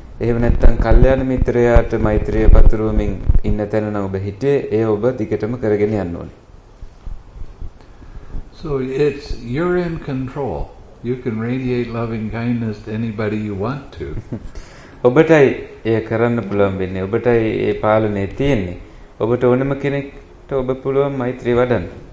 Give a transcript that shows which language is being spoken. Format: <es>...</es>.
<si>එහෙම නැත්නම් කල්යාණ මිත්‍රයාට මෛත්‍රිය පතුරවමින් ඉන්න තැන නම් ඔබ හිටියේ, ඒ ඔබ දිගටම කරගෙන යන්න ඕනේ.</si> <en>So it's you're in control. You can radiate loving kindness to anybody you want to.</en> <si>ඔබටයි ඒ කරන්න පුළුවන් වෙන්නේ. ඔබටයි ඒ පාලනය තියෙන්නේ. ඔබට ඕනම කෙනෙක්ට ඔබ පුළුවන් මෛත්‍රිය වඩන්න.</si>